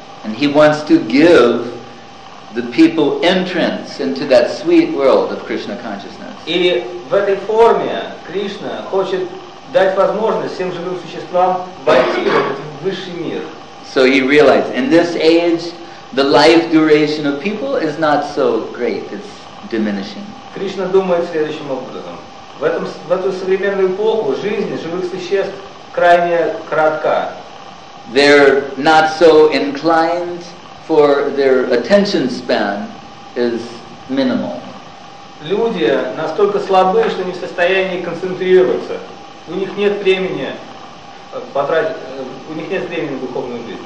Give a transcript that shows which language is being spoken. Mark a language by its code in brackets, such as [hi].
[en] And he wants to give the people entrance into that sweet world of Krishna consciousness. [ru] И в этой форме Кришна хочет дать возможность всем живым существам войти в этот высший мир. [en] So he realized, in this age, the life duration of people is not so great, it's diminishing. [ru] Кришна думает следующим образом. В эту современную эпоху жизнь живых существ крайне коротка. [en] They're not so inclined, for their attention span is minimal. [ru] Люди настолько слабы, что не в состоянии концентрироваться. У них нет времени потратить, у них нет времени на духовную жизнь.